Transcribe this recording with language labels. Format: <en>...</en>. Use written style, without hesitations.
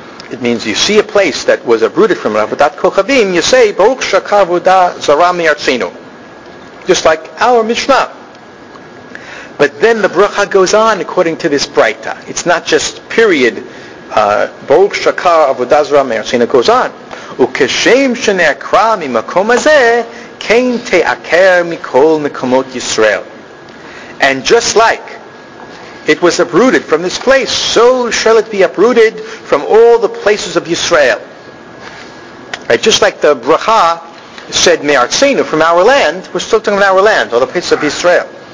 <en>It means you see a place that was uprooted from avodat kochavim, you say, Baruch shakar avodah zara miyartzinu. Just like our Mishnah. But then the bracha goes on according to this brighter. It's not just period. Baruch shakar avodah zara miyartzinu goes on.</en> <he>וכשם שנעקרה ממקום הזה, כן תעקר מכל מקומות ישראל.</he> <en>And just like it was uprooted from this place, so shall it be uprooted from all the places of Yisrael. Right, just like the bracha said Me'artzenu, from our land, we're still talking about our land, or the place of Yisrael.</en>